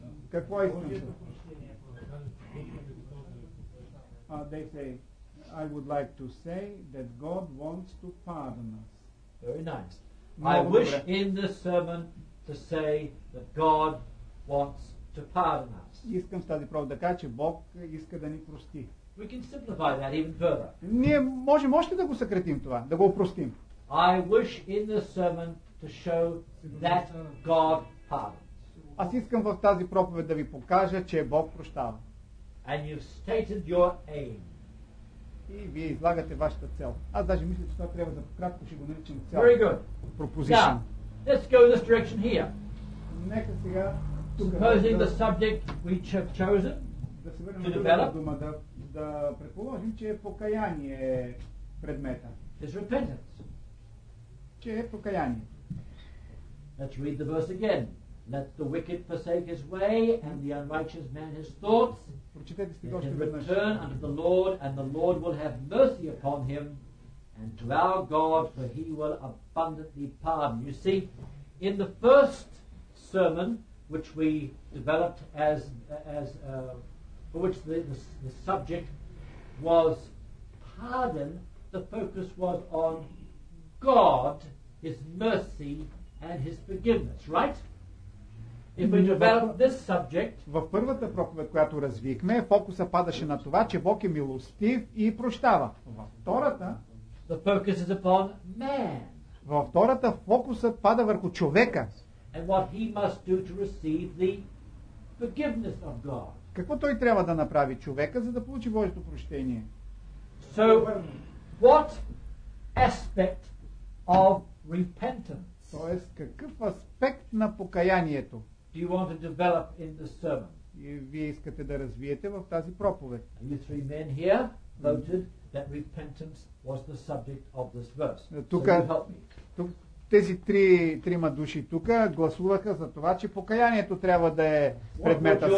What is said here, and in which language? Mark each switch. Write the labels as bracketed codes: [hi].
[bg] Какво искам? [en] They say, I would like to say that God wants to pardon us. Very nice. [bg] Много [en] I wish [bg] добре. [en] In this sermon to say that God wants to pardon us. [bg] Искам с тази проба да кажа, че Бог иска да ни прости. [en] We can simplify that even further. [bg] Ние можем още да го съкратим това, да го опростим. [en] I wish in this sermon to show that God pardons. [bg] Аз искам в тази проповед да ви покажа, че Бог прощава. [en] And you've stated your aim. [bg] И вие излагате вашата цел. Аз даже мисля, че това трябва да пократко ще го наричам цел. [en] Very good. Proposition. Now, let's go this direction here. [bg] Нека сега тук. [en] Supposing the subject we have chosen [bg] да се върнем на другата дума, да предположим, че покаяние е предмета. [en] It's repentance. [bg] Че е покаяние. [en] Let's read the verse again. Let the wicked forsake his way and the unrighteous man his thoughts. [bg] Прочитайте сте още веднъж. [en] And return unto the Lord and the Lord will have mercy upon him and to our God for he will abundantly pardon. You see, in the first sermon which we developed for which the subject was pardon, the focus was on God, His mercy and His forgiveness, right? If we develop this subject, [bg] в първата проповед, която развихме, фокуса падаше на това, че Бог е милостив и прощава. Във втората, [en] the focus is upon man. [bg] Във втората фокусът пада върху човека. [en] And what he must do to receive the forgiveness of God. [bg] Какво той трябва да направи човека, за да получи Божието прощение? [en] So, what aspect of repentance? [bg] Тоест, какъв аспект на покаянието? [en] Do you want to develop in the sermon? [bg] И вие искате да развиете в тази проповед. [en] You three men here voted that repentance was the subject of this verse. [bg] Тука, [en] so you help me. [bg] Тук, тези трима души тук гласуваха за това, че покаянието трябва да е предмета.